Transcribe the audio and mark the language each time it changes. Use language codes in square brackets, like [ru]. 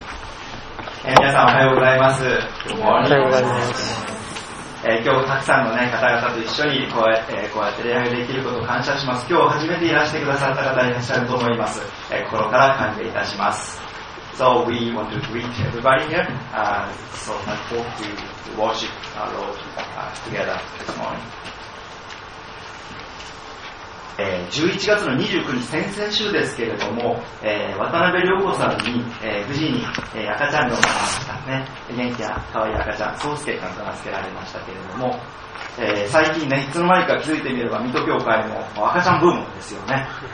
[ja] 皆さんおはようございます。おはようございます。今日たくさんの、ね、方々と一緒にこうやって礼拝できることを感謝します。今日初めていらしてくださった方いらっしゃると思います。心から歓迎いたします。 [en] So we want to greet everybody here so thank you to worship our Lord together this morning。 [ja] 11月の29日、先々週ですけれども、渡辺良子さんに、無事に、赤ちゃんの、ね、元気や可愛い赤ちゃん、宗介さんと名付けられましたけれども、最近ね、いつの間にか気づいてみれば、水戸教会も赤ちゃんブームですよね。